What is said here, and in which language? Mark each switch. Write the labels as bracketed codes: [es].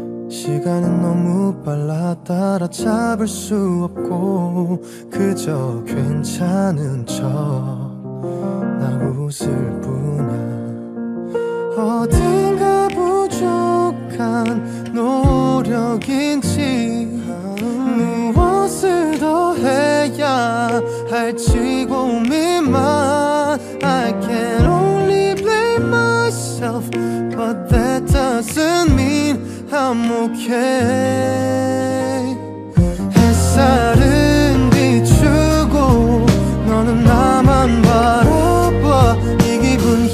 [ko] 시간은 너무 빨라 따라잡을 수 없고 그저 괜찮은 척 나 웃을 뿐이야. 어딘가 부족한 노력인지 무엇을 더 해야 할지 고민만. [en] I can only blame myself, but that doesn't mean I'm okay. [ko] 햇살은 비추고 너는 나만 바라봐 이 기분.